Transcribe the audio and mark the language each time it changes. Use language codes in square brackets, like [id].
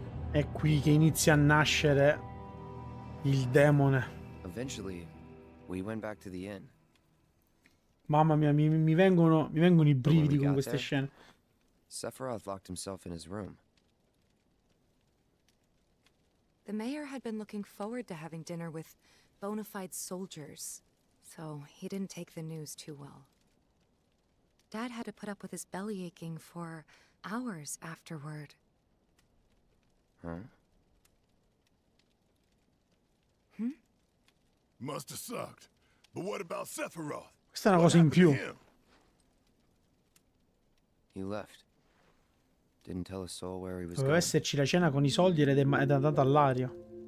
[it] È qui che inizia a nascere il demone. [en] Eventually we went back to the inn. [it] Mamma mia, mi vengono i brividi con queste scene. [en] Sephiroth locked himself in his room. The mayor had been looking forward to having dinner with bona fide soldiers, so he didn't take the news too well. Dad had to put up with his belly aching for hours afterward. Huh? Hmm? Must have sucked. But what about Sephiroth? [it] Questa è una cosa in più. [en] He left. Didn't tell a soul where he was going. [it] Doveva esserci la cena con i soldi ed è andata all'aria.